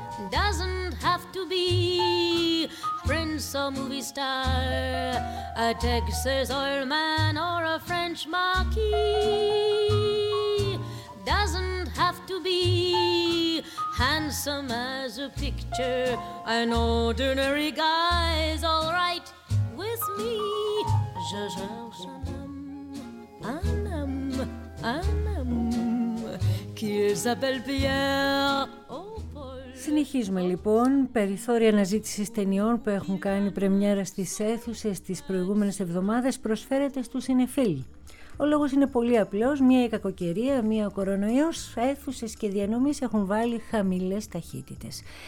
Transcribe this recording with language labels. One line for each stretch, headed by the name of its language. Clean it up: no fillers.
English: Doesn't have to be prince or movie star, a Texas oil man or a French marquis. Doesn't have to be handsome as a picture, an ordinary guy is all right with me.
French: Je cherche un homme, qu'il s'appelle Pierre.
Greek: Συνεχίζουμε λοιπόν. Περιθώρια αναζήτησης ταινιών που έχουν κάνει πρεμιέρα στις αίθουσες τις προηγούμενες εβδομάδες προσφέρεται στους σινεφίλ. Ο λόγος είναι πολύ απλός. Μία η κακοκαιρία, μία ο κορονοϊός, αίθουσες και διανομής έχουν βάλει χαμηλές ταχύτητες.